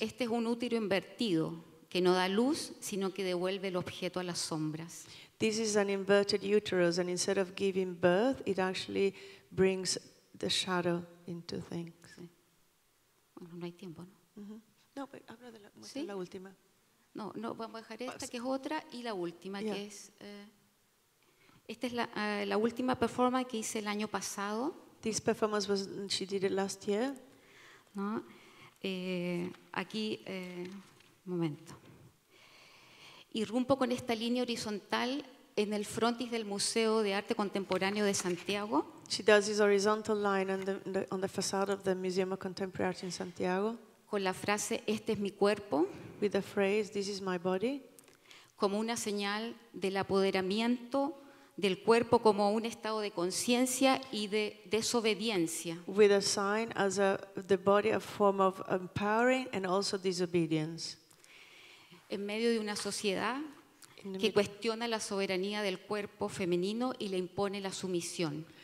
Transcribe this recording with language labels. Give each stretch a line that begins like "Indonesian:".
Spanish: Este es un útero invertido que no da luz, sino que devuelve el objeto a las sombras.
English: This is an inverted uterus, and instead of giving birth, it actually brings the shadow into things.
Spanish: Sí. Bueno, no hay tiempo, ¿no? Mm-hmm. No, pero hablo de la, ¿sí? La última. No, no, vamos a dejar esta, que es otra, y la última, yeah. Que es... esta es la última performance que hice el año pasado.
English: This performance was, she did it last year.
Spanish: No, aquí, momento. Irrumpo con esta línea horizontal en el frontis del Museo de Arte Contemporáneo de Santiago.
English: She does this horizontal line on the facade of the Museum of Contemporary Art in Santiago.
Spanish: Con la frase, este es mi cuerpo.
English: With the phrase, this is my body.
Spanish: Como una señal del apoderamiento del cuerpo como un estado de conciencia y de desobediencia.
English: With a sign as a, the body a form of empowering and also disobedience.
Spanish: en medio de una sociedad que cuestiona la soberanía del cuerpo femenino y le impone la sumisión.